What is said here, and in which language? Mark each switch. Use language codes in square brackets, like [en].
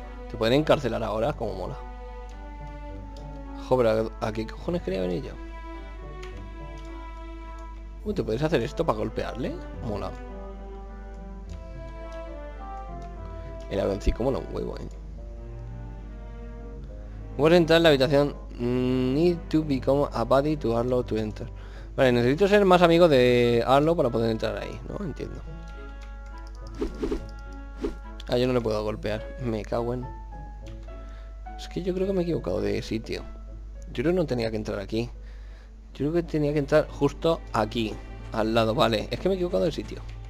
[es] Te pueden encarcelar ahora, como mola. Joder, ¿a qué cojones quería venir yo? ¿Te puedes hacer esto para golpearle? Mola. El avioncito mola un huevo, ¿eh? Voy a entrar en la habitación. [en] Need to become a buddy to Arlo to enter. [es] Vale, necesito ser más amigo de Arlo para poder entrar ahí, ¿no? Entiendo. Ah, yo no le puedo golpear. Me cago en... Es que yo creo que me he equivocado de sitio. Yo creo que no tenía que entrar aquí. Yo creo que tenía que entrar justo aquí, al lado, vale. Es que me he equivocado de sitio.